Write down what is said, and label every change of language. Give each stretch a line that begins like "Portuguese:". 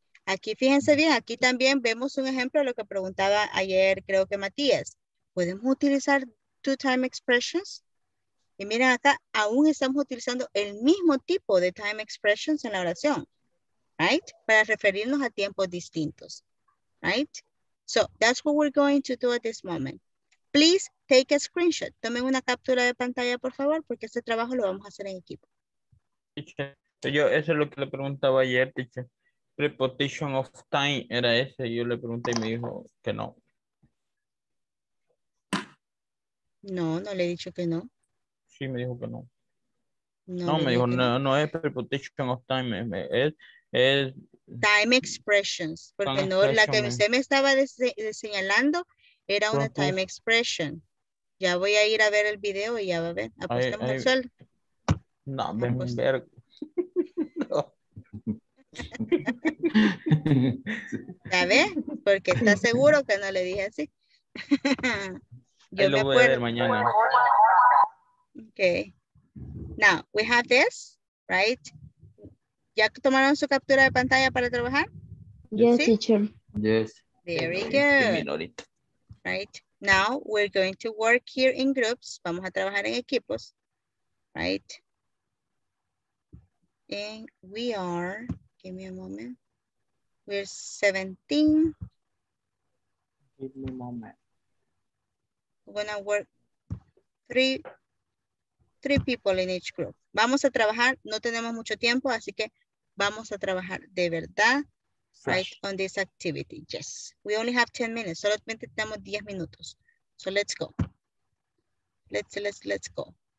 Spanish: Aquí fíjense bien, aquí también vemos un ejemplo de lo que preguntaba ayer, creo que Matías. ¿Podemos utilizar
English: two time expressions?
Spanish: Y miren acá, aún estamos utilizando el mismo tipo de time expressions en la oración, right? Para referirnos a tiempos distintos, right?
English: So that's what we're going to do at this moment. Please take a screenshot.
Spanish: Tomen una captura de pantalla, por favor, porque este trabajo lo vamos a hacer en equipo. Yo, eso es lo que le preguntaba ayer, teacher.
English: Preposition of time
Spanish: era ese. Yo le pregunté y me dijo que no. No, no le he dicho que no. Sí, me dijo que no. No, no me dijo, no, no es
English: preposition of time.
Spanish: Es
English: time expressions.
Spanish: Porque time no, expression, la que usted me estaba señalando era una
English: time expression.
Spanish: Ya voy a ir a ver el video y ya va a ver. Apostemos el sueldo. No, ven ver. ¿Ya ve? Porque está seguro que no le dije así. Yo lo voy a ver mañana.
English: Okay. Now we have this, right?
Spanish: ¿Ya tomaron su captura de pantalla para trabajar?
English: Yes, ¿sí? Teacher. Yes. Very good. Right. Now we're going to work here in groups.
Spanish: Vamos a trabajar en equipos. Right.
English: And we are, give me a moment. We're 17. Give me a moment. We're gonna work three people in each group.
Spanish: Vamos a trabajar, no tenemos mucho tiempo, así que vamos a trabajar de verdad.
English: Fresh. Right on this activity. Yes. We only have 10 minutes.
Spanish: Solamente tenemos 10 minutos.
English: So let's go. Let's go.